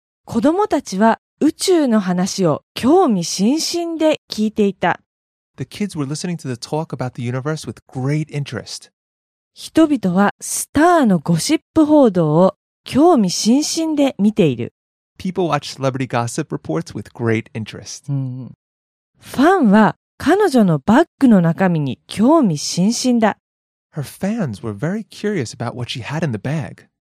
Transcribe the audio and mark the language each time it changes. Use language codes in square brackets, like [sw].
[ja] 子供たちは宇宙の話を興味津々で聞いていた。 [en] The kids were listening to the talk about the universe with great interest. [ja] 人々はスターのゴシップ報道を興味津々で見ている。 [en] People watch celebrity gossip reports with great interest. Mm-hmm. [ja] ファンは彼女のバッグの中身に興味津々だ。 [en] Her fans were very curious about what she had in the bag.